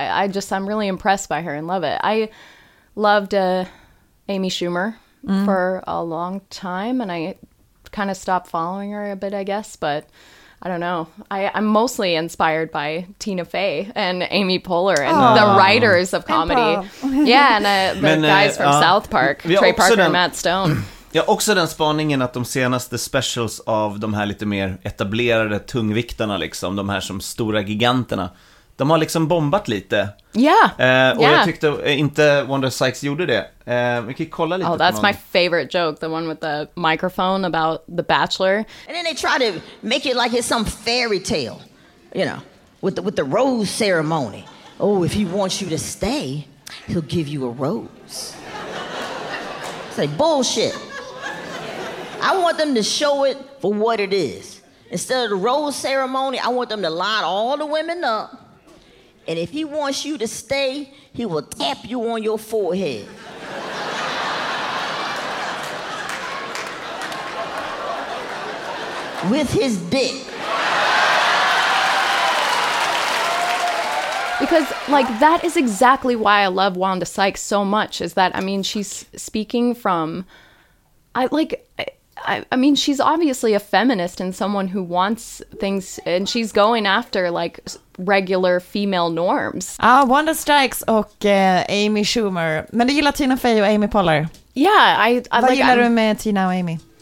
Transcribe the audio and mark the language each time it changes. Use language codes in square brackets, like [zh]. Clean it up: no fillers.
[en] I just, I'm really impressed by her and love it. I loved, Amy Schumer for a long time and I kind of stopped following her a bit, I guess, but I don't know. I'm mostly inspired by Tina Fey and Amy Poehler and the writers of comedy. Yeah, and the guys from South Park, Trey Parker and Matt Stone. [sv] Ja, också den spaningen att de senaste specials av de här lite mer etablerade tungviktarna, liksom, de här som stora giganterna, de har liksom bombat lite. Och jag tyckte inte Wanda Sykes gjorde det. Vi kan kolla lite. [en] Oh, that's my favorite joke, the one with the microphone about The Bachelor. And then they try to make it like it's some fairy tale, you know, with the rose ceremony. Oh, if he wants you to stay, he'll give you a rose. Say like bullshit. I want them to show it for what it is. Instead of the rose ceremony, I want them to line all the women up. And if he wants you to stay, he will tap you on your forehead. With his dick. Because, like, that is exactly why I love Wanda Sykes so much, is that, I mean, she's speaking from, I mean, she's obviously a feminist and someone who wants things, and she's going after, like, regular female norms. [sv] Ah, Wanda Sykes och Amy Schumer. Men du gillar Tina Fey och Amy Poehler? [en] Yeah, I [sv] like... Vad gillar du med Tina och Amy?